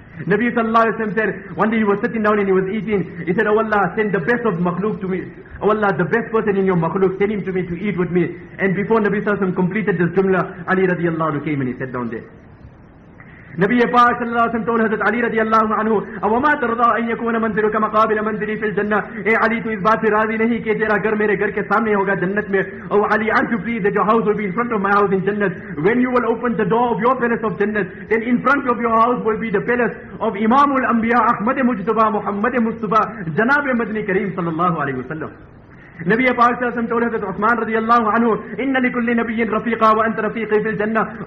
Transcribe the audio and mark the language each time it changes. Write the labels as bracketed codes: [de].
[en] Nabi Sallallahu Alaihi Wasallam said, one day he was sitting down and he was eating. He said, Oh Allah, send the best of makhluk to me. Oh Allah, the best person in your makhluk, send him to me to eat with me. And before Nabi Sallallahu Alaihi Wasallam completed this jumla, Ali radiallahu anhu came and he sat down there. Nabi Sallallahu Alaihi Wasallam told Hazrat Ali radiallahu anhu, [ar] أَوَمَا تَرْضَى أَن يَكُونَ مَنْزِلُكَ مَقَابِلَ مَنْزِلِ فِي الْجَنَّةِ. [ur] اے علی, تو اس بات سے راضی نہیں کہ تیرا گھر میرے گھر کے سامنے ہوگا جنت میں. [en] او Ali, aren't you pleased that your house will be in front of my house in Jannat? When you will open the door of your palace of Jannat, then in front of your house will be the palace of Imam al-Anbiya, Ahmad Mujtaba, Muhammad Mustafa, Janab Madni Kareem sallallahu alayhi wa sallam. Nabi Sallallahu Alaihi Wasallam told Hazrat Uthman radiallahu anhu, [ar] Inna li kulli nabiyin rafiqa wa anta rafiqi fil jannah.